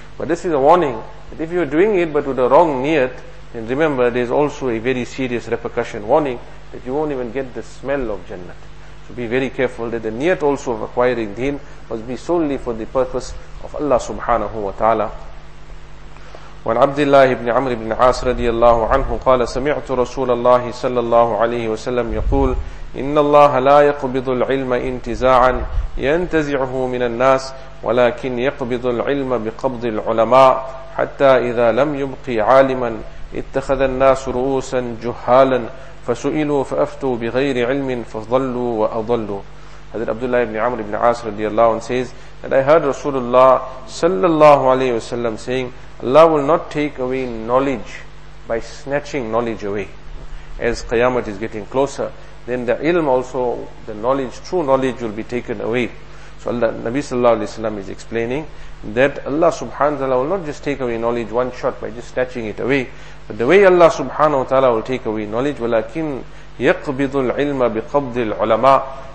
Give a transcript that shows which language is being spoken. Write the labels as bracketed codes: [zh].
[en] But this is a warning, that if you are doing it but with a wrong niyat, then remember there is also a very serious repercussion warning, that you won't even get the smell of Jannat. So be very careful, that the niyat also of acquiring deen must be solely for the purpose of Allah subhanahu wa ta'ala. [ar] وعن عبد الله بن عمرو بن عاص رضي الله عنه قال سمعت رسول الله صلى الله عليه وسلم يقول إن الله لا يقبض العلم انتزاعا ينتزعه من الناس ولكن يقبض العلم بقبض العلماء حتى إذا لم يبقي عالما اتخذ الناس رؤوسا جهالا فسئلوا فأفتوا بغير علم فضلوا وأضلوا. هذا عبد الله بن عمرو بن عاص رضي الله عنه [en] says that I heard [ar] رسول الله صلى الله عليه وسلم [en] saying Allah will not take away knowledge by snatching knowledge away. As Qiyamah is getting closer, then the ilm also, the knowledge, true knowledge will be taken away. So Allah, Nabi sallallahu alayhi wa sallam is explaining that Allah subhanahu wa ta'ala will not just take away knowledge one shot by just snatching it away. But the way Allah subhanahu wa ta'ala will take away knowledge, [ar] وَلَكِنْ يَقْبِضُ الْعِلْمَ بِقَبْضِ الْعُلَمَاءِ.